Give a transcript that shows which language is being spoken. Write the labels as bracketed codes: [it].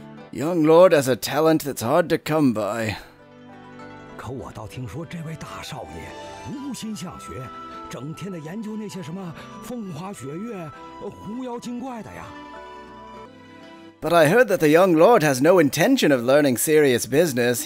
[en] Young lord has a talent that's hard to come by. [zh] 可我倒听说这位大少爷无心向学，整天的研究那些什么风花雪月、狐妖精怪的呀。But [en] I heard that the young lord has no intention of learning serious business.